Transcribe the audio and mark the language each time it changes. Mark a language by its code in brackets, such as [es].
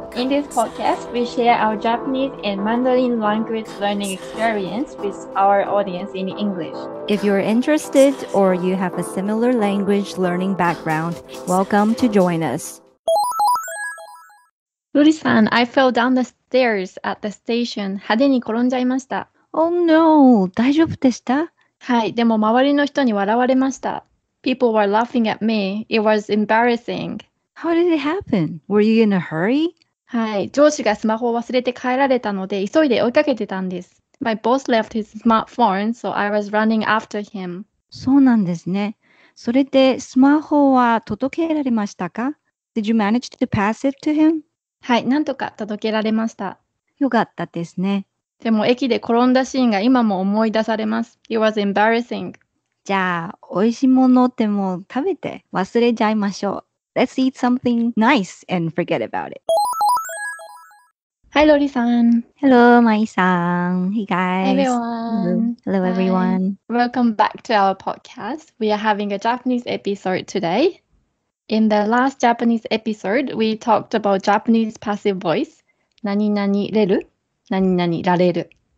[en] In this podcast, we share our Japanese and Mandarin language learning experience with our audience in English. If you're interested or you have a similar language learning background, welcome to join us. Luri-san, I fell down the stairs at the station. [ja] 派手に転んじゃいました。 [en] Oh no! [ja] 大丈夫でした? はい、でも周りの人に笑われました。 [en] People were laughing at me. It was embarrassing. How did it happen? Were you in a hurry? [ja] はい、上司がスマホを忘れて帰られたので急いで追いかけてたんです。 [en] My boss left his smartphone, so I was running after him. [ja] そうなんですね。それでスマホは届けられましたか? [en] Did you manage to pass it to him? [ja] はい、なんとか届けられました。よかったですね。でも駅で転んだシーンが今も思い出されます。 [en] It was embarrassing. [ja] じゃあ、美味しいものでも食べて忘れちゃいましょう。 [en] Let's eat something nice and forget about it. Hi, Lori-san. Hello, Mai-san. Hey, guys. Everyone. Hello, everyone. Hi. Welcome back to our podcast. We are having a Japanese episode today. In the last Japanese episode, we talked about Japanese passive voice, 何々れる、何々られる。